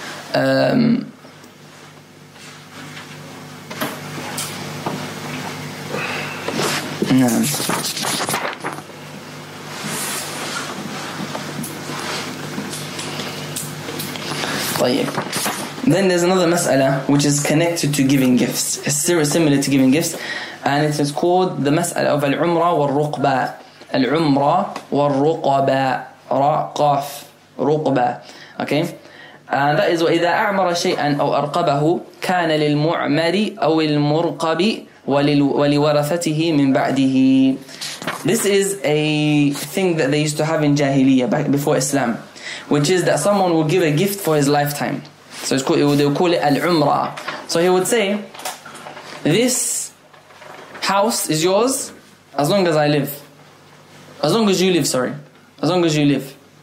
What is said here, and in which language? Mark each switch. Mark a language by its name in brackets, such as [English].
[English] Then there's another mas'ala which is connected to giving gifts. It's similar to giving gifts. And it is called the mas'ala of al-umrah wal-ruqba. [Arabic] العمرة والرقبة رقاف رقبة. [English] Okay. And that is [Arabic] وإذا أعمر شيئا أو أرقبه كان للمعمر أو المرقب ولورثته من بعده. [English] This is a thing that they used to have in Jahiliyyah before Islam, which is that someone will give a gift for his lifetime. So it's called, they would call it al-umrah. So he would say, this house is yours as long as I live. As long as you live, sorry. As long as you live.